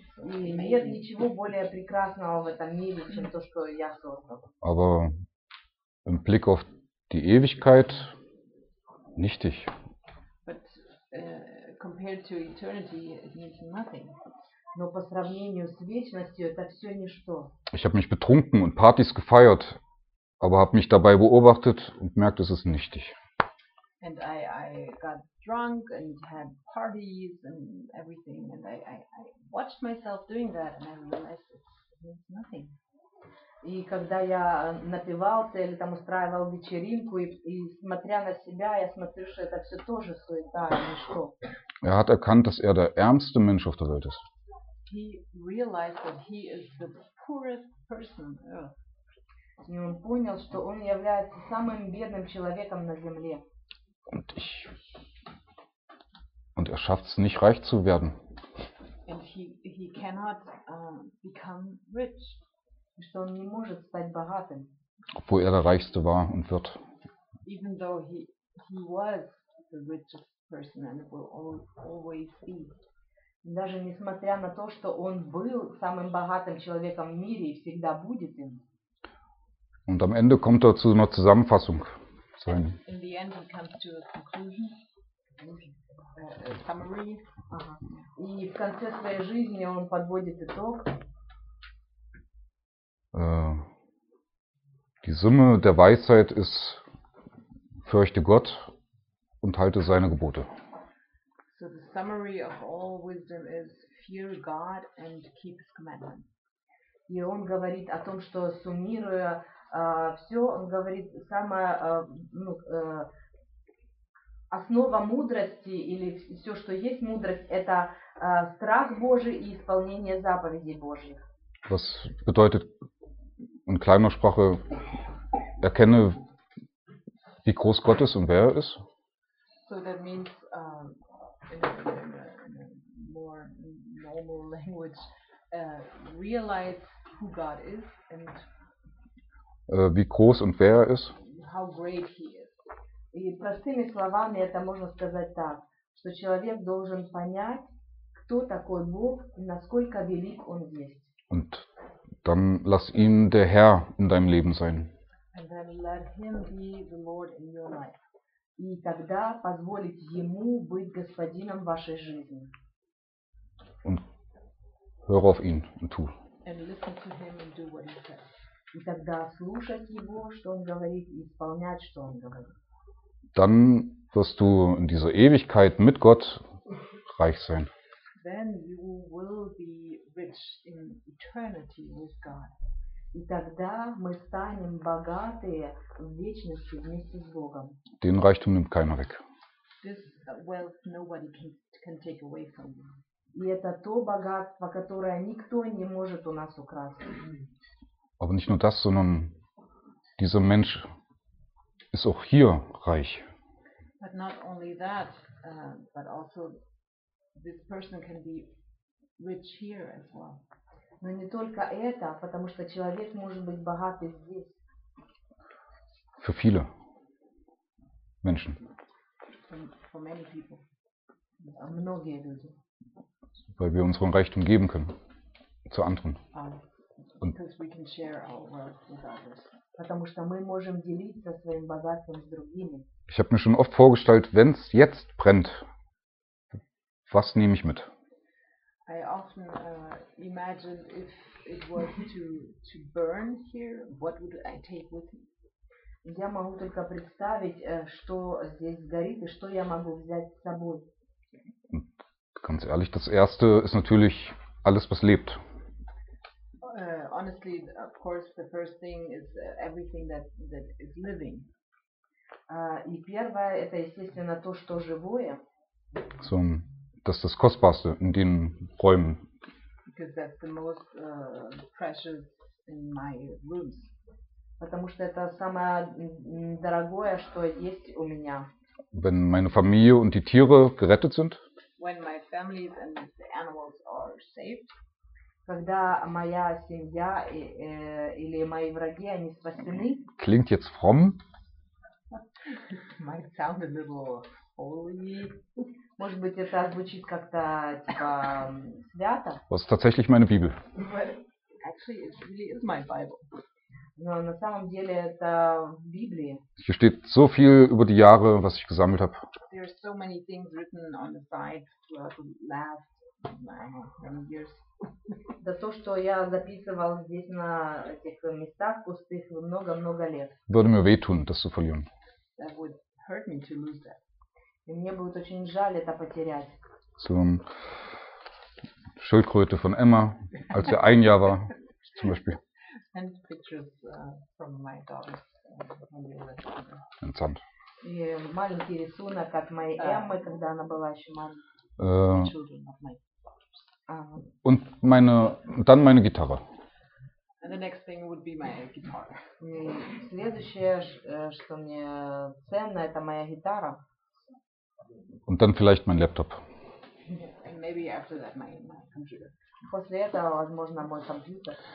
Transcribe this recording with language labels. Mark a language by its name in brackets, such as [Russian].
[Russian] Нет ничего более прекрасного в этом мире, чем то, что я создал. [German] Aber im Blick auf die Ewigkeit nichtig. [English] But compared to eternity, it means nothing. [Russian] Но по сравнению с вечностью это все ничто. [German] Ich habe mich betrunken und Partys gefeiert, aber habe mich dabei beobachtet und merkt, es ist nichtig. [English] And I got drunk and had parties and everything and I watched myself doing that and I realized it means nothing. [Russian] И когда я напивался или там устраивал вечеринку и смотря на себя, я смотрю, что это все тоже суета, ничто. [German] Er hat erkannt, dass der ärmste Mensch auf der Welt ist. [English] He realized that he is the poorest person on earth. [Russian] И он понял, что он является самым бедным человеком на земле. [German] Und er schafft es nicht, reich zu werden. [English] And he cannot become rich. [Russian] Что он не может стать богатым. [German] Obwohl der reichste war und wird. [English] Even though he was the richest person and will always be. [Russian] Даже несмотря на то, что он был самым богатым человеком в мире и всегда будет им. [German] Und am Ende kommt er zu einer Zusammenfassung. [English] In the end he comes to a conclusion. Summary. [Russian] И в конце своей жизни он подводит итог. [German] Die Summe der Weisheit ist, fürchte Gott und halte seine Gebote. [English] So the summary of all wisdom is fear God and keep his commandments. [Russian] И он говорит о том, что суммируя все, он говорит, самая основа мудрости или все, что есть мудрость, это страх Божий и исполнение заповедей Божьих. [German] Was bedeutet in kleiner Sprache, erkenne, wie groß Gott ist und wer er ist. [English] So that means, in a more normal language, realize who God is and [German] wie groß und wer er ist. [English] How great he is. [Russian] И простыми словами это можно сказать так, что человек должен понять, кто такой Бог и насколько велик он есть. [German] Und dann lass ihn der Herr in deinem Leben sein. [English] And then let him be the Lord in your life. [Russian] И тогда позволить ему быть господином вашей жизни. [German] Und hör auf ihn und tu. [English] And listen to him and do what he says. [Russian] И тогда слушать его, что он говорит, и исполнять, что он говорит. [German] Dann wirst du in dieser Ewigkeit mit Gott reich sein. [English] Then you will be rich in eternity with God. [Russian] И тогда мы станем богатые в вечности вместе с Богом. [German] Den Reichtum nimmt keiner weg. [English] This wealth nobody can take away from you. [Russian] И это то богатство, которое никто не может у нас украсть. [German] Aber nicht nur das, sondern dieser Mensch ist auch hier reich. [English] But not only that, but also this person can be rich here as well. [Russian] Но не только это, потому что человек может быть богатый здесь. [German] Für viele Menschen. [English] For many people. [Russian] Многие люди. [German] Weil wir unseren Reichtum geben können zu anderen. [English] Because we can share our wealth with others. [Russian] Потому что мы можем делиться своим богатством с другими. [German] Ich habe mir schon oft vorgestellt, wenn es jetzt brennt, was nehme ich mit? [English] I often imagined if it was to burn here, what would I take with me? [Russian] Я могу только представить, что здесь горит и что я могу взять с собой. [German] Ganz ehrlich, das Erste ist natürlich alles, was lebt. [English] Honestly, of course, the first thing is everything that is living. [Russian] И первое это естественно то, что живое. [German] So, das ist das Kostbarste in den Räumen. [English] Because that's the most precious in my rooms. [Russian] Потому что это самое дорогое, что есть у меня. [German] Wenn meine Familie und die Tiere gerettet sind. [English] When my family and the animals are safe. [Russian] Когда моя семья или мои враги, они спасены. [German] Klingt jetzt fromm. [English] Might sound a little holy. [Russian] Может быть, это звучит как-то типа свято. [German] Was tatsächlich meine Bibel. [English] Actually, it really is my Bible. [Russian] Но на самом деле это Библия. [German] Hier steht so viel über die Jahre, was ich gesammelt habe. [English] There are so many things written on the side throughout the last many years. [Russian] Да то, что я записывал здесь на этих местах пустых много-много лет. [German] Würde mir wehtun, das zu verlieren. [English] That would hurt me to lose that. [Russian] И мне будет очень жаль это потерять. [German] So, Schildkröte von Emma, als er ein Jahr war, zum Beispiel. [English] And pictures from my daughter's family. In Sand. [Russian] И маленький рисунок от моей Эммы, когда она была еще маленькой. [German] Und meine, dann meine Gitarre. [English] And the next thing would be my guitar. [Russian] Следующее, что мне ценно, это моя гитара. [German] Und dann vielleicht mein Laptop. [English] And maybe after that my computer. [Russian] После этого, возможно, мой компьютер.